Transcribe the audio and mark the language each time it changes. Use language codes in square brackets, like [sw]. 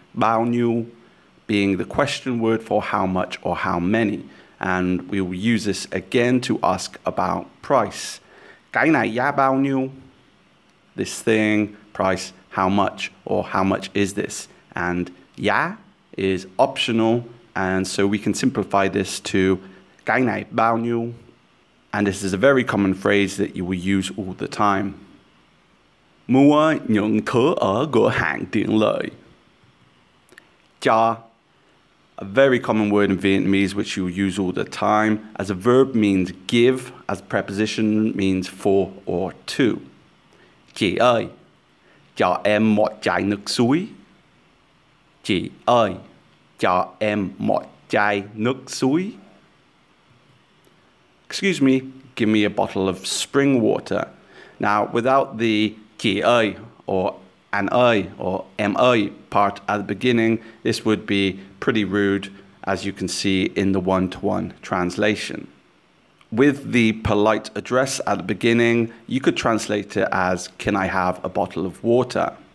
[en] Bao nhiêu being the question word for how much or how many. And we will use this again to ask about price. [vi] Cái này giá bao nhiêu? [en] This thing, price, how much or how much is this? And giá is optional. And so we can simplify this to [vi] cái này bao nhiêu? [en] And this is a very common phrase that you will use all the time. [vi] Mua những thứ ở cửa hàng tiện lợi. [en] Cho, a very common word in Vietnamese which you use all the time. As a verb means give, as a preposition means for or to. [vi] Chị ơi, cho em một chai nước suối. Chị ơi, cho em một chai nước suối. [en] Excuse me, give me a bottle of spring water. Now, without the chị ơi, or an ơi, or em ơi part at the beginning, this would be pretty rude, as you can see in the one-to-one translation. With the polite address at the beginning, you could translate it as, can I have a bottle of water?